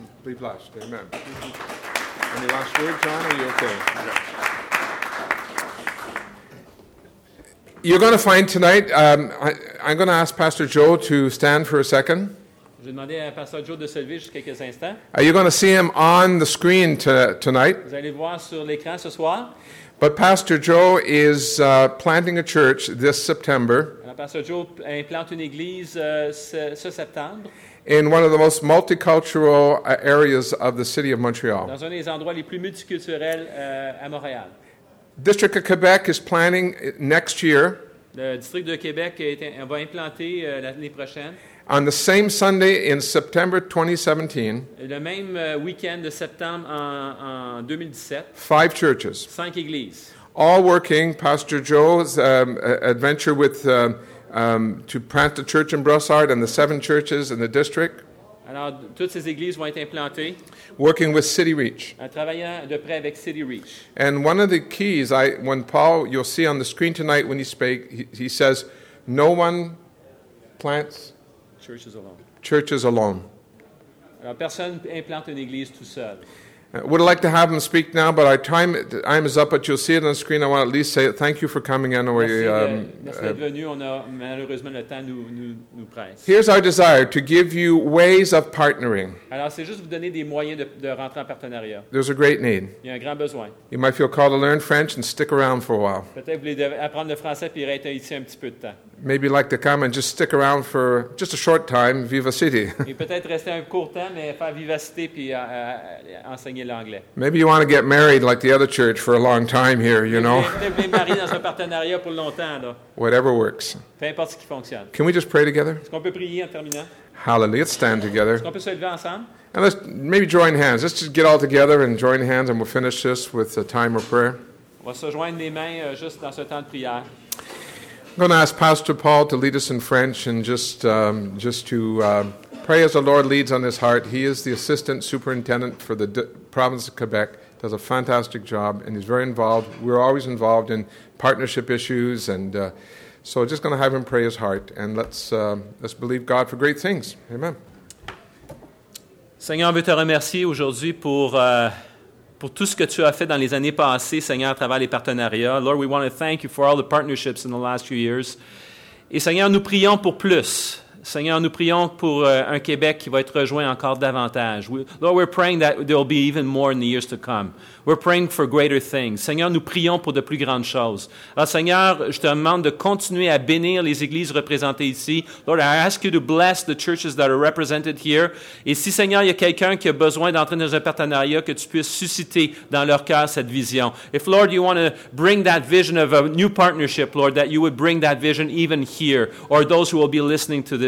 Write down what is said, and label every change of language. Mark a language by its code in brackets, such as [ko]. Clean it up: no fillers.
[en] Be blessed. Amen. Any last words, John? Are you okay? You're going to find tonight. I'm going to ask Pastor Joe to stand for a second. [fr] J'ai demandé à Pasteur Joe de se lever juste quelques instants. [en] Are you going to see him on the screen tonight? [fr] Vous allez voir sur l'écran ce soir. [en] But Pastor Joe is planting a church this September. [fr] Pastor Joe implante une église ce septembre. [en] In one of the most multicultural areas of the city of Montreal. [fr] Dans un des endroits les plus multiculturels à Montréal. [en] District of Quebec is planting next year. [fr] Le district de Québec va implanter l'année prochaine. [en] On the same Sunday in September 2017, [fr] le même week-end de septembre en 2017, [en] five churches, [fr] cinq églises, [en] all working. Pastor Joe's adventure with to plant a church in Brossard and the seven churches in the district. [fr] Alors, toutes ces églises vont être implantées. [en] Working with City Reach. [fr] En travaillant de près avec City Reach. [en] And one of the keys, when Paul, you'll see on the screen tonight when he speaks, he says, "No one plants." Churches alone. Churches alone. [fr] Personne implante une église tout seul. [en] Would like to have him speak now, but our time is up. But you'll see it on the screen. I want to at least say thank you for coming in. [fr] Merci d'être venu. On a malheureusement le temps nous presse. [en] Here's our desire to give you ways of partnering. [fr] Alors c'est juste vous donner des moyens de rentrer en partenariat. [en] There's a great need. [fr] Il y a un grand besoin. [en] You might feel called to learn French and stick around for a while. [fr] Peut-être vous voulez apprendre le français puis rester ici un petit peu de temps. [en] Maybe like to come and just stick around for just a short time, Vivacity. [fr] Et peut-être rester un court temps, mais faire Vivacité puis enseigner l'anglais. [en] Maybe you want to get married like the other church for a long time here, you know. [fr] Peut-être vous marier dans un partenariat pour longtemps, là. [en] Whatever works. [fr] Peu importe ce qui fonctionne. [en] Can we just pray together? [fr] Est-ce qu'on peut prier en terminant? [en] Hallelujah, let's stand together. [fr] Est-ce qu'on peut se lever ensemble? [en] And let's maybe join hands. Let's just get all together and join hands and we'll finish this with a time of prayer. [fr] On va se joindre les mains juste dans ce temps de prière. [en] I'm going to ask Pastor Paul to lead us in French and just to pray as the Lord leads on his heart. He is the assistant superintendent for the province of Quebec, does a fantastic job, and he's very involved. We're always involved in partnership issues, and so just going to have him pray his heart, and let's believe God for great things. Amen. [fr] Seigneur, on veut te remercier aujourd'hui pour tout ce que tu as fait dans les années passées, Seigneur, à travers les partenariats. [en] Lord, we want to thank you for all the partnerships in the last few years. [fr] Et Seigneur, nous prions pour plus. Seigneur, nous prions pour un Québec qui va être rejoint encore davantage. [en] Lord, we're praying that there will be even more in the years to come. We're praying for greater things. [fr] Seigneur, nous prions pour de plus grandes choses. Alors, Seigneur, je te demande de continuer à bénir les églises représentées ici. [en] Lord, I ask you to bless the churches that are represented here. [fr] Et si, Seigneur, il y a quelqu'un qui a besoin d'entrer dans un partenariat, que tu puisses susciter dans leur cœur cette vision. [en] If, Lord, you want to bring that vision of a new partnership, Lord, that you would bring that vision even here, or those who will be listening to this.